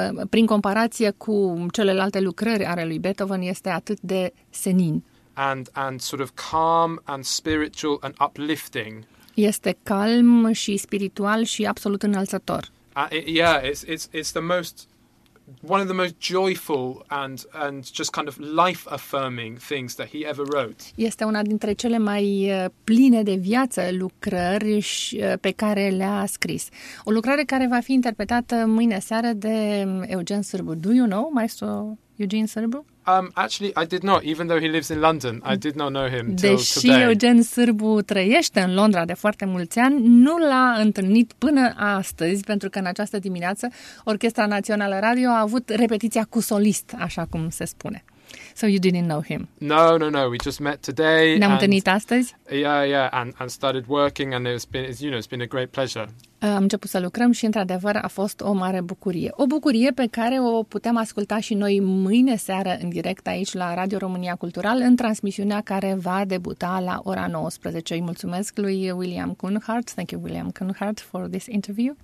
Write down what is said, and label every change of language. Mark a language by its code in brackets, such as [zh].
[ro] Prin comparație cu celelalte lucrări ale lui Beethoven, este atât de senin. [en] And sort of calm and spiritual and uplifting. [ro] Este calm și spiritual și absolut înălțător. [en] It's the most, one of the most joyful and just kind of life affirming things that he ever wrote. [ro] Este una dintre cele mai pline de viață lucrări pe care le-a scris. O lucrare care va fi interpretată mâine seară de Eugen Sârbu. [en] Do you know Maestro Eugen Sârbu? Actually, I did not, even though he lives in London, I did not know him till [ro] deși [en] today. [ro] Deși Eugen Sârbu trăiește în Londra de foarte mulți ani, nu l-a întâlnit până astăzi, pentru că în această dimineață Orchestra Națională Radio a avut repetiția cu solist, așa cum se spune. [en] So you didn't know him? No, we just met today. [ro] Ne-am întâlnit astăzi? [en] Yeah, and started working, and it's been a great pleasure. [ro] Am început să lucrăm și, într-adevăr, a fost o mare bucurie. O bucurie pe care o putem asculta și noi mâine seară în direct aici la Radio România Cultural, în transmisiunea care va debuta la ora 19. Îi mulțumesc lui William Kuhnhardt. [en] Thank you, William Kuhnhardt, for this interview.